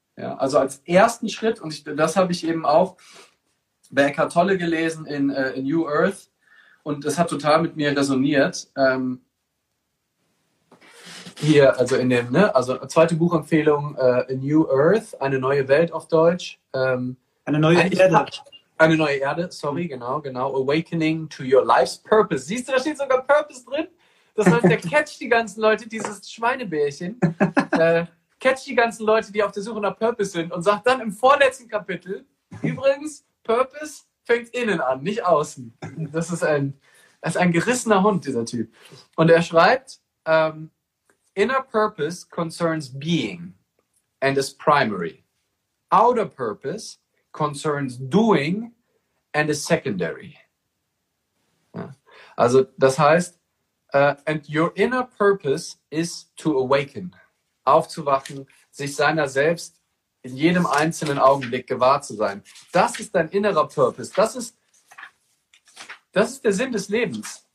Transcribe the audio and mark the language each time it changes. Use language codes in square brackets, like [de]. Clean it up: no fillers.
[de] Ja, also als ersten Schritt, und das habe ich eben auch bei Eckhart Tolle gelesen in New Earth, und das hat total mit mir resoniert. Hier, also in dem, ne, also zweite Buchempfehlung, A New Earth, eine neue Welt auf Deutsch. Eine neue Erde, sorry, genau. [en] Awakening to your life's purpose. [de] Siehst du, da steht sogar Purpose drin. Das heißt, der catcht die ganzen Leute, dieses Schweinebärchen, catcht die ganzen Leute, die auf der Suche nach Purpose sind, und sagt dann im vorletzten Kapitel, übrigens, Purpose fängt innen an, nicht außen. Das ist ein gerissener Hund, dieser Typ. [en] Und er schreibt, inner purpose concerns being and is primary. Outer purpose concerns doing and is secondary. [de] Ja. Also das heißt, [en] and your inner purpose is to awaken, [de] aufzuwachen, sich seiner selbst in jedem einzelnen Augenblick gewahr zu sein. Das ist dein innerer Purpose. Das ist der Sinn des Lebens.